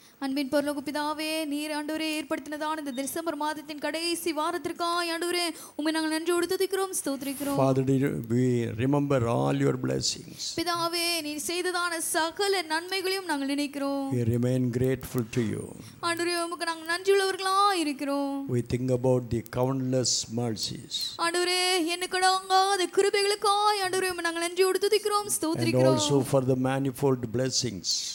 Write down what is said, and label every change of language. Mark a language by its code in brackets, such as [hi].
[ta] அன்பின் பரலோக பிதாவே, நீர் ஆண்டவரே ஏற்படுத்தினதான இந்த டிசம்பர் மாதத்தின் கடைசி வாரத்திற்காய் ஆண்டவரே உம்மை நாங்கள் நன்றி துதிக்கிறோம், ஸ்தோத்திரிக்கிறோம். [en] Father, we remember all your blessings. [ta] பிதாவே, நீர் செய்ததான சகல நன்மைகளையும் நாங்கள் நினைக்கிறோம். [en] We remain grateful to you. [ta] ஆண்டவரே, உமக்கு நாங்கள் நன்றி உள்ளவர்களாக இருக்கிறோம். [en] We think about the countless mercies. [ta] ஆண்டவரே, எண்ணக்கடங்காத கிருபைகளுக்காய் ஆண்டவரே உம்மை நாங்கள் நன்றி துதிக்கிறோம், ஸ்தோத்திரிக்கிறோம். [en] And also for the manifold blessings.